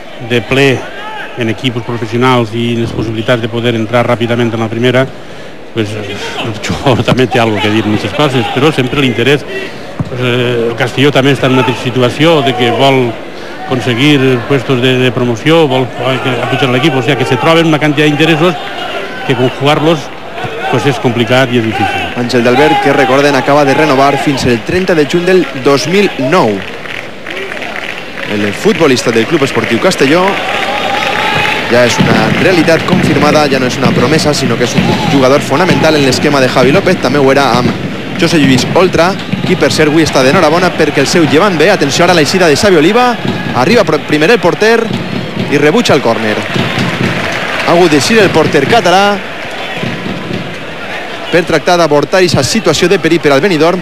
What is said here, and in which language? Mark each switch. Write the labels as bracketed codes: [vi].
[ca] de ple en equips professionals i les possibilitats de poder entrar ràpidament en la primera, pues, el jugador també té alguna cosa a dir en aquestes coses, però sempre l'interès, pues, el Castelló també està en una situació de que vol aconseguir puestos de promoció, vol apujar l'equip, o sigui que se troben una quantitat d'interessos que conjugar-los pues és complicat i és difícil. Àngel d'Albert, que recorden, acaba de renovar fins el 30 de juny del 2009. El futbolista del Club Esportiu Castelló i [es] ya es una realidad confirmada, ya no es una promesa, sino que es un jugador [ca] fonamental en l'esquema de Javi López. També ho era amb José Lluís Oltra. Keeper Servi està d'enhorabona perquè el seu llevant ve. Atenció ara a l'eixida de Xavi Oliva. Arriba primer el porter i rebutja el córner. Ha hagut d'eixir el porter català per tractar d'avortar aquesta situació de perill per al Benidorm.